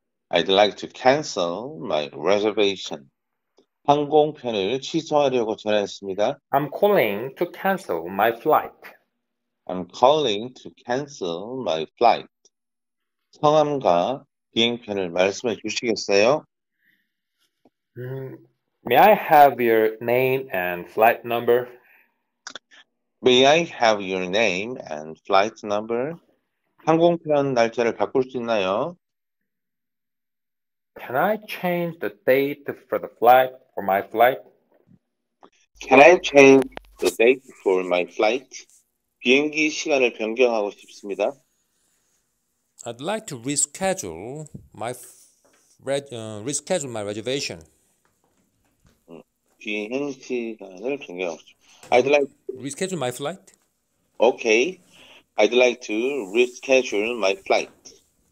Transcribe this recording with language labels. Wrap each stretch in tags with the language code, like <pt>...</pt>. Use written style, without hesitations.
<en>I'd like to cancel my reservation.</en> <ko>항공편을 취소하려고 전화했습니다.</ko> <en>I'm calling to cancel my flight. I'm calling to cancel my flight.</en> <ko>성함과 비행편을 말씀해 주시겠어요?</ko> <en>May I have your name and flight number? May I have your name and flight number?</en> <ko>항공편 날짜를 바꿀 수 있나요?</ko> <en>Can I change the date for the flight for my flight? Can I change the date for my flight?</en> <ko>비행기 시간을 변경하고 싶습니다.</ko> <en>I'd like to reschedule my reservation.</en> <ko>비행 시간을 변경하고 싶습니다.</ko> <en>I'd like to reschedule my flight. Okay. I'd like to reschedule my flight.</en>